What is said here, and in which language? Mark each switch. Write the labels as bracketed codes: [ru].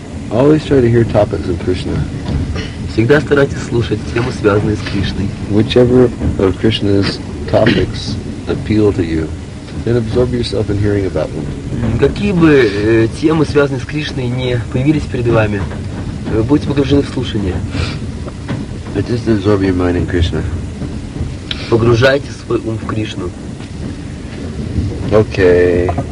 [en] Always try to hear topics of Krishna. [ru] Всегда старайтесь слушать темы, связанные с Кришной. [en] Whichever of Krishna's topics appeal to you, then absorb yourself in hearing about them. [ru] Какие бы темы, связанные с Кришной, не появились перед вами, будьте погружены в слушание. [en] Just absorb your mind in Krishna. [ru] Погружайте свой ум в Кришну. [en] Okay.